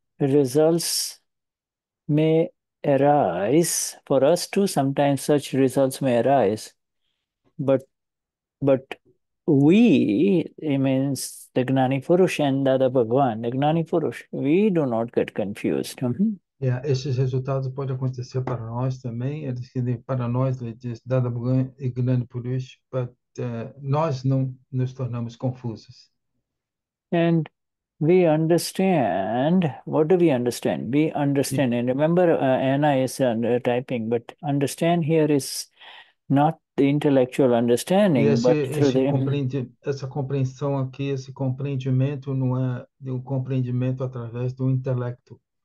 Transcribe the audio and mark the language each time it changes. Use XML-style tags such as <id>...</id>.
<en>results may arise. For us too, sometimes such results may arise. But we, it means the Gnani Purush and Dada Bhagwan, the Gnani Purush, we do not get confused.</en> <pt>É, esses resultados podem acontecer para nós também. Ele diz, para nós, ele diz, Dada Bhagwan e Gnani Purush, but nós não nos tornamos confusos.</pt> <en>And we understand. What do we understand? We understand. And remember, Anna is typing, but understand here is not the intellectual</en> <pt>E</pt> <en>understanding, but through</en> <pt>esse</pt> <en>the.</en> <pt>compreende, essa compreensão aqui, esse compreendimento não é de um compreendimento através do intelecto.</pt>